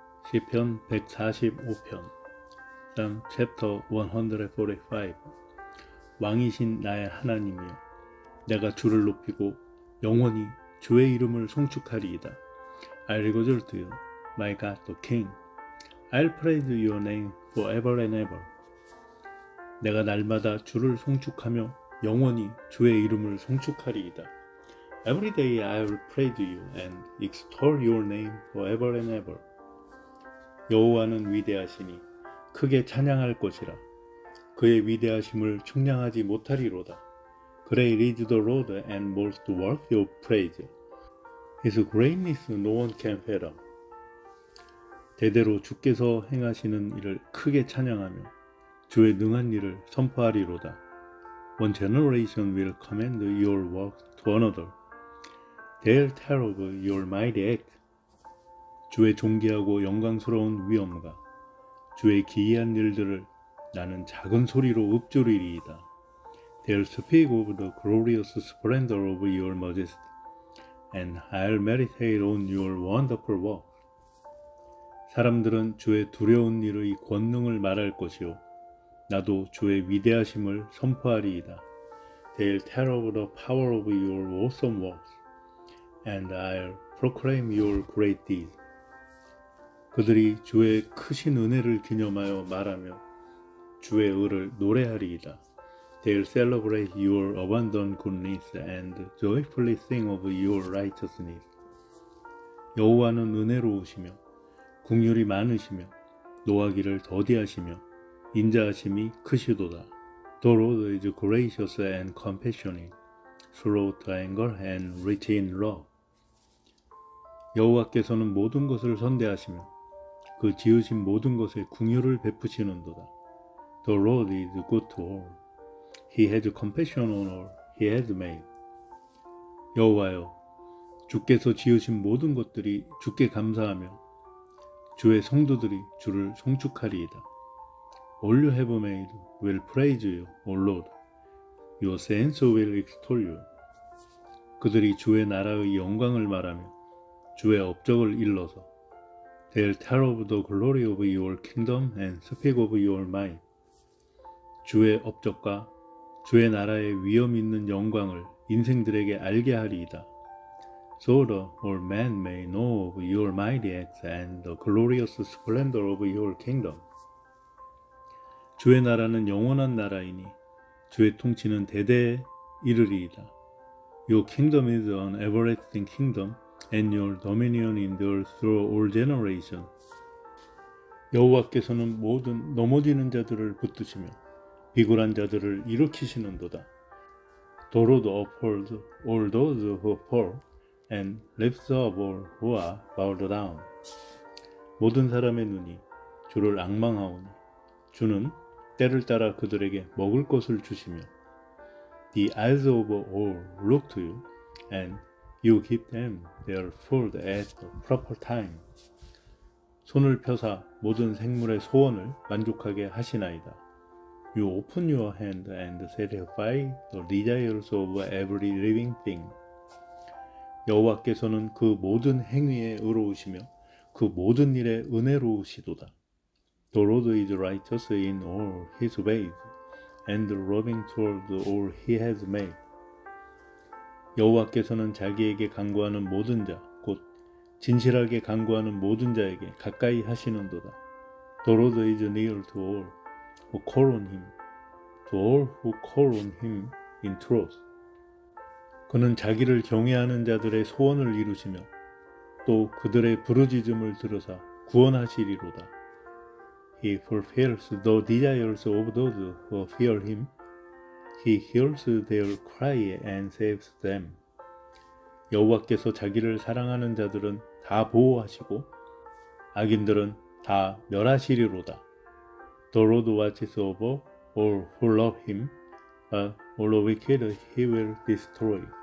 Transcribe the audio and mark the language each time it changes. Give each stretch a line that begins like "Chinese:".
Korean: 시편 145편 3 챕터 145 왕이신 나의 하나님이여 내가 주를 높이고 영원히 주의 이름을 송축하리이다.
English: I rejoice to you, my God the King. I'll praise your name forever and ever.
Korean: 내가 날마다 주를 송축하며 영원히 주의 이름을 송축하리이다.
English: Every day I'll praise you and extol your name forever and ever.
Korean: 여호와는 위대하시니 크게 찬양할 것이라. 그의 위대하심을 측량하지 못하리로다.
English: Great is the Lord and most worthy of praise. His greatness no one can fathom.
Korean: 대대로 주께서 행하시는 일을 크게 찬양하며 주의 능한 일을 선포하리로다.
English: One generation will commend your work to another. They'll tell of your mighty act.
Korean: 주의 존귀하고 영광스러운 위엄과 주의 기이한 일들을 나는 작은 소리로 읊조리리이다.
English: They'll speak of the glorious splendor of your majesty, and I'll meditate on your wonderful work.
Korean: 사람들은 주의 두려운 일의 권능을 말할 것이요 나도 주의 위대하심을 선포하리이다.
English: They'll tell of the power of your awesome works, and I'll proclaim your great deeds.
Korean: 그들이 주의 크신 은혜를 기념하여 말하며 주의 의를 노래하리이다.
English: They'll celebrate your abundant goodness and joyfully sing of your righteousness.
Korean: 여호와는 은혜로우시며 긍휼이 많으시며 노하기를 더디하시며 인자하심이 크시도다.
English: The Lord is gracious and compassionate, slow to anger and rich in love.
Korean: 여호와께서는 모든 것을 선대하시며 그 지으신 모든 것에 긍휼을 베푸시는도다.
English: The Lord is good to all. He has compassion on all he has made.
Korean: 여호와여, 주께서 지으신 모든 것들이 주께 감사하며 주의 성도들이 주를 송축하리이다.
English: All you have made will praise you, O Lord. Your saints will extol you.
Korean: 그들이 주의 나라의 영광을 말하며 주의 업적을 일러서
English: They'll tell of the glory of your kingdom and speak of your might.
Korean: 주의 업적과 주의 나라의 위엄 있는 영광을 인생들에게 알게 하리이다.
English: So the old man may know of your mighty acts and the glorious splendor of your kingdom.
Korean: 주의 나라는 영원한 나라이니 주의 통치는 대대에 이르리이다.
English: Your kingdom is an everlasting kingdom and your dominion endures through all generations.
Korean: 여호와께서는 모든 넘어지는 자들을 붙드시며 비굴한 자들을 일으키시는도다.
English: The Lord upholds all those who fall and lifts up all who are bowed down.
Korean: 모든 사람의 눈이 주를 앙망하오니 주는 때를 따라 그들에게 먹을 것을 주시며
English: The eyes of all look to you and you give them their food at the proper time.
Korean: 손을 펴사 모든 생물의 소원을 만족하게 하시나이다.
English: You open your hand and satisfy the desires of every living thing.
Korean: 여호와께서는 그 모든 행위에 의로우시며 그 모든 일에 은혜로우시도다.
English: The Lord is righteous in all his ways and loving toward all he has made.
Korean: 여호와께서는 자기에게 간구하는 모든 자, 곧 진실하게 간구하는 모든 자에게 가까이 하시는도다.
English: The Lord is near to all. Who call on him, to all who call on him in truth.
Korean: 그는 자기를 경외하는 자들의 소원을 이루시며 또 그들의 부르짖음을 들으사 구원하시리로다.
English: He fulfills the desires of those who fear him. He hears their cry and saves them.
Korean: 여호와께서 자기를 사랑하는 자들은 다 보호하시고 악인들은 다 멸하시리로다.
English: The Lord watches over all who love him, but all the wicked he will destroy.